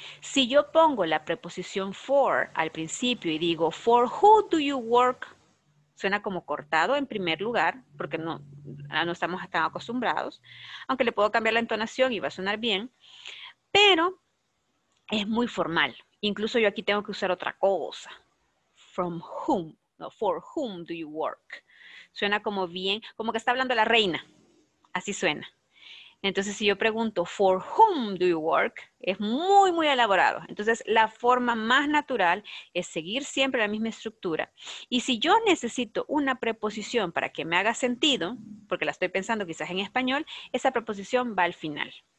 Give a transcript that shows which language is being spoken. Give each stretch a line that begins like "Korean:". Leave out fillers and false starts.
Spanish: Si yo pongo la preposición for al principio y digo,
English: for who do you work?
Spanish: Suena como cortado en primer lugar, porque no estamos tan acostumbrados, aunque le puedo cambiar la entonación y va a sonar bien, pero es muy formal. Incluso yo aquí tengo que usar otra cosa.
English: From whom, no, for whom do you work?
Spanish: Suena como bien, como que está hablando la reina. Así suena. Entonces, si yo pregunto,
English: for whom do you work?
Spanish: Es muy, muy elaborado. Entonces, la forma más natural es seguir siempre la misma estructura. Y si yo necesito una preposición para que me haga sentido, porque la estoy pensando quizás en español, esa preposición va al final.